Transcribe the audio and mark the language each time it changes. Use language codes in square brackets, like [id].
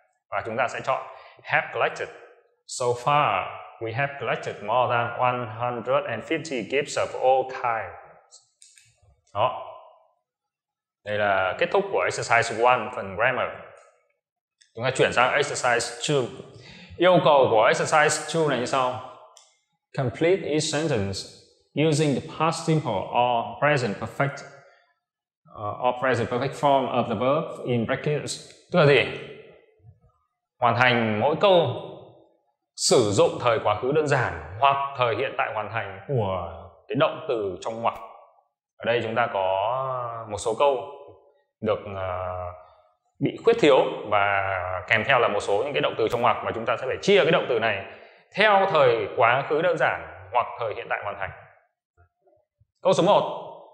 [vi] Và chúng ta sẽ chọn [en] have collected. So far, we have collected more than 150 gifts of all kinds. [vi] Đó. Đây là kết thúc của exercise 1 phần grammar. Chúng ta chuyển sang exercise 2. Yêu cầu của exercise 2 này như sau. [en] Complete each sentence using the past simple or present perfect form of the verb in brackets. [vi] Tức là gì? Hoàn thành mỗi câu sử dụng thời quá khứ đơn giản hoặc thời hiện tại hoàn thành của cái động từ trong ngoặc. Ở đây chúng ta có một số câu được bị khuyết thiếu và kèm theo là một số những cái động từ trong ngoặc, và chúng ta sẽ phải chia cái động từ này theo thời quá khứ đơn giản hoặc thời hiện tại hoàn thành. Câu số 1.